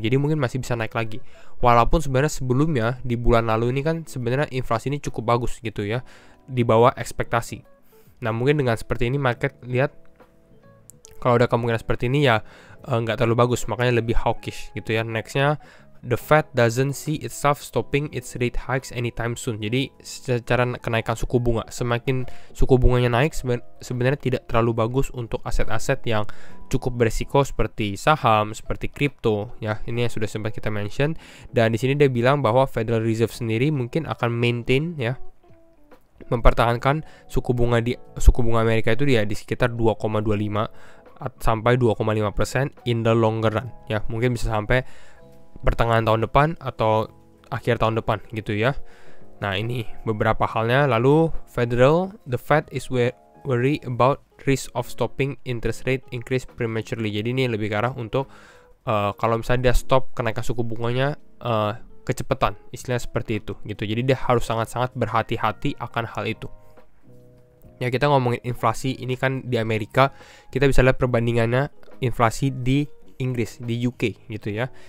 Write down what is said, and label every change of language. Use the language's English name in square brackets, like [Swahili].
[Indonesian] Jadi mungkin masih bisa naik lagi. Walaupun sebenarnya sebelumnya di bulan lalu ini kan sebenarnya inflasi ini cukup bagus gitu ya, di bawah ekspektasi. Nah, mungkin dengan seperti ini market lihat kalau ada kemungkinan seperti ini ya nggak terlalu bagus, makanya lebih hawkish gitu ya. [English] Nextnya, the Fed doesn't see itself stopping its rate hikes anytime soon. [Indonesian] Jadi secara kenaikan suku bunga, semakin suku bunganya naik sebenarnya tidak terlalu bagus untuk aset-aset yang cukup berisiko seperti saham, seperti kripto ya, ini yang sudah sempat kita mention. Dan di sini dia bilang bahwa Federal Reserve sendiri mungkin akan maintain ya, mempertahankan suku bunga Amerika itu dia di sekitar 2,25 sampai 2,5% [English] in the longer run [Indonesian] ya, mungkin bisa sampai pertengahan tahun depan atau akhir tahun depan gitu ya. Nah, ini beberapa halnya. [English] Lalu the Fed is worried about risk of stopping interest rate increase prematurely. [Indonesian] Jadi ini lebih ke arah untuk kalau misalnya dia stop kenaikan suku bunganya kecepatan, istilahnya seperti itu gitu. Jadi dia harus sangat-sangat berhati-hati akan hal itu. Ya, kita ngomongin inflasi ini kan di Amerika, kita bisa lihat perbandingannya inflasi di Inggris, di UK gitu ya.